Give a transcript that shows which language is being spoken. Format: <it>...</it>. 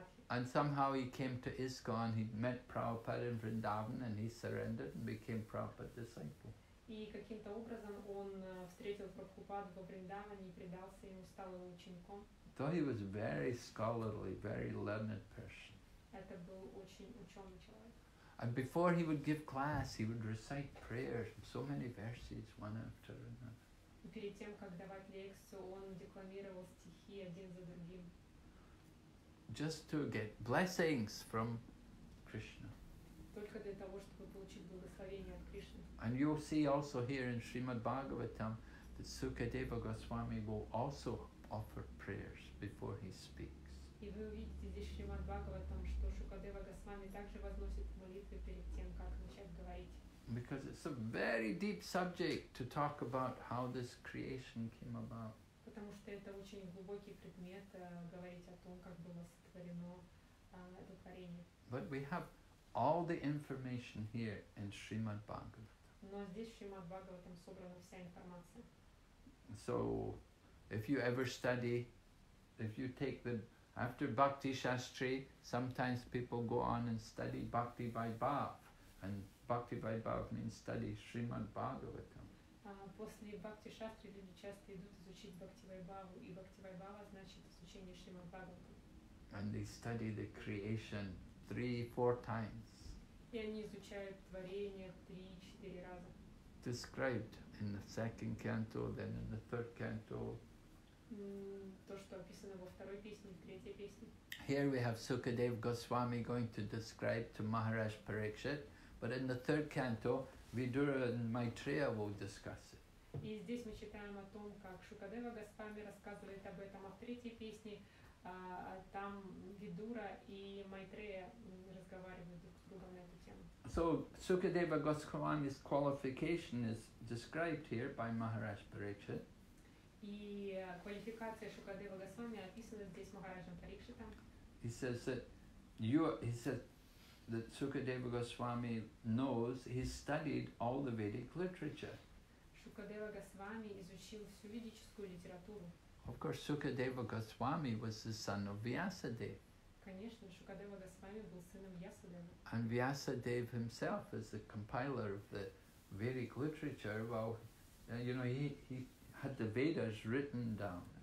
<en>And somehow he came to ISKCON, he met Prabhupada in Vrindavan and he surrendered and became Prabhupada's disciple.</en> <ru>И каким-то образом он встретил Прабхупаду во Вриндаване и предался ему, стал его учеником.</ru> <en>So he was very scholarly, very learned person.</en> <ru>Это был очень ученый человек.</ru> <en>And before he would give class, he would recite prayers, so many verses, one after another.</en> <ru>И перед тем, как давать лекцию, он декламировал стихи один за другим.</ru> <en>Just to get blessings from Krishna.</en> <ru>Только для того, чтобы получить благословение от Кришны.</ru> <en>And you'll see also here in Srimad Bhagavatam that Sukadeva Goswami will also offer prayers before he speaks.</en> <ru>И вы увидите здесь в Шримад Бхагаватам, что Сукадева Госвами также возносит молитвы перед тем, как начать говорить.</ru> <en>Because it's a very deep subject to talk about how this creation came about.</en> <ru>Потому что это очень глубокий предмет говорить о том, как было сотворено это творение.</ru> <en>But we have all the information here in Srimad Bhagavatam.</en> <ru>Но здесь в Шримад Бхагаватам собрана вся информация.</ru> <en>So, if you ever study, if you take the, after Bhakti Shastri, sometimes people go on and study Bhakti Vaibhav. And Bhakti Vaibhav means study Srimad Bhagavatam.</en> <ru>После Бхакти Шастри люди часто идут изучить Бхакти Вайбхаву, и Бхакти Вайбхава значит изучение Шримад Бхагаватам.</ru> <en>And they study the creation 3-4 times.</en> <ru>И они изучают творение 3-4 раза.</ru> <en>Described in the second canto, then in the third canto,</en> <ru>то, что описано во второй песне, в третьей песне.</ru> <en>Here we have Sukadev Goswami going to describe to Maharaj Parikshit, but in the third canto, Vidura and Maitreya will discuss it.</en> <ru>И здесь мы читаем о том, как Шукадева Госвами рассказывает об этом, а в третьей песне там Видура и Майтрея разговаривают друг с другом на эту тему.</ru> <en>So Sukadeva Goswami's qualification is described here by Maharaj Parikshit.</en> <ru>И квалификация Шукадева Госвами описана здесь Махараджем Парикшитом.</ru> <en>He says that Sukadeva Goswami knows, he studied all the Vedic literature.</en> <ru>Шукадева Госвами изучил всю ведическую литературу.</ru> <en>Of course, Sukadeva Goswami was the son of Vyasadeva.</en> <ru>Конечно, Шукадева Госвами был сыном Вьясадева.</ru> <en>And Vyasadeva himself is the compiler of the Vedic literature. Well, you know, he had the Vedas written down.</en>